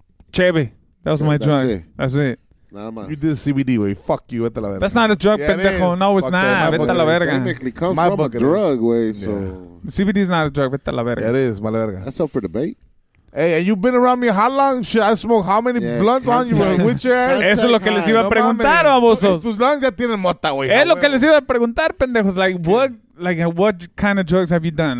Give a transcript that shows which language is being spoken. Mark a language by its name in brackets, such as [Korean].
[English] Chevy. That was my drug. That's it. [Spanish] Nada más. [English] You did CBD, güey. Fuck you, [Spanish] vete la verga. [English] That's not a drug, pendejo. No, it's not. [Spanish] Vete la verga. [English] Technically comes from a drug, güey, so. CBD is not a drug, [Spanish] vete la verga. [English] It is, [Spanish] mala verga. [English] That's up for debate. Hey, and you've been around me how long? Should I smoke how many blunts on you with your ass? [Spanish] Eso es lo que les iba a preguntar, babosos. Tus [English] lungs [Spanish] ya tienen mota, güey. Es lo que les iba a preguntar, pendejos. [English] Like, what kind of drugs have you done?